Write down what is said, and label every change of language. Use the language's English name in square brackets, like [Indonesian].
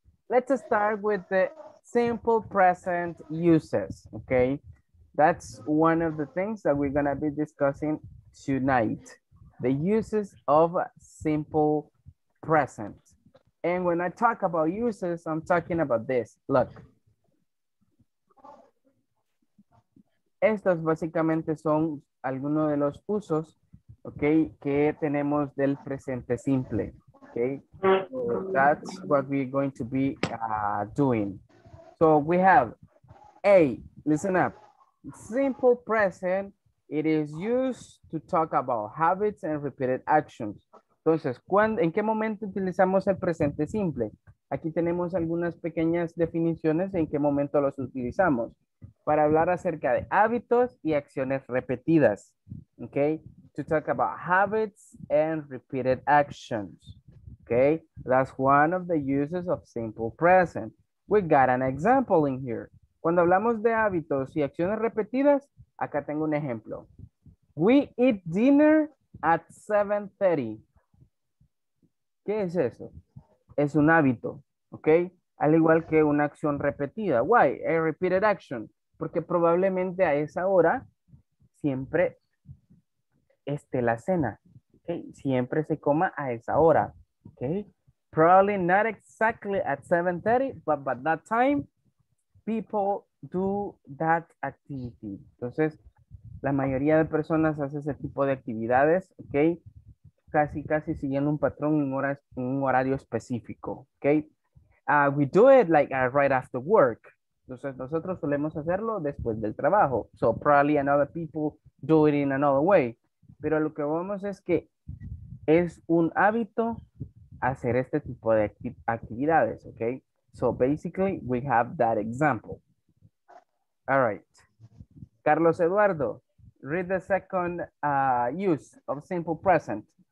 [English] Let's start with the simple present uses, okay? That's one of the things that we're gonna be discussing tonight, the uses of simple present. And when I talk about uses, I'm talking about this, look. [Spanish] Estos básicamente son algunos de los usos, okay, que tenemos del presente simple. [English] Okay, so that's what we're going to be doing. So we have A, listen up. Simple present, it is used to talk about habits and repeated actions. [Spanish] Entonces, ¿en qué momento utilizamos el presente simple? Aquí tenemos algunas pequeñas definiciones en qué momento los utilizamos. Para hablar acerca de hábitos y acciones repetidas, okay? [English] To talk about habits and repeated actions, okay? That's one of the uses of simple present. We got an example in here. [Spanish] Cuando hablamos de hábitos y acciones repetidas, acá tengo un ejemplo. [English] We eat dinner at 7:30. [Spanish] ¿Qué es eso? Es un hábito, okay? Al igual que una acción repetida. [English] Why? A repeated action. [Spanish] Porque probablemente a esa hora siempre esté la cena. Okay? Siempre se coma a esa hora. Okay? [English] Probably not exactly at 7:30, but by that time, people do that activity. [Spanish] Entonces, la mayoría de personas hace ese tipo de actividades. Okay? Casi, casi siguiendo un patrón en un horario específico. [English] Okay? We do it like right after work. [Spanish] Entonces nosotros solemos hacerlo después del trabajo. [English] So probably another people do it in another way. [Spanish] Pero lo que vemos es que es un hábito hacer este tipo de actividades, okay? [English] So basically we have that example. All right. Carlos Eduardo, read the second use of simple present.